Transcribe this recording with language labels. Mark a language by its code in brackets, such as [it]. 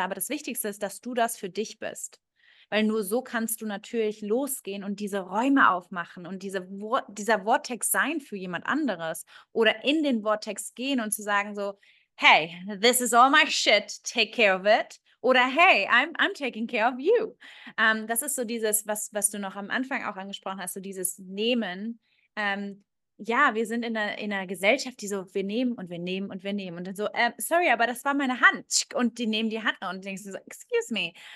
[de] Aber das Wichtigste ist, dass du das für dich bist. Weil nur so kannst du natürlich losgehen und diese Räume aufmachen und dieser Vortex sein für jemand anderes oder in den Vortex gehen und zu sagen so, [en] hey, this is all my shit, take care of it. [de] Oder [en] hey, I'm taking care of you. [de] Das ist so dieses, was du noch am Anfang auch angesprochen hast, so dieses Nehmen. Ja, wir sind in einer Gesellschaft, die so, wir nehmen und wir nehmen und wir nehmen. Und dann so, sorry, aber das war meine Hand. Und die nehmen die Hand und denkst du so, [en] excuse me.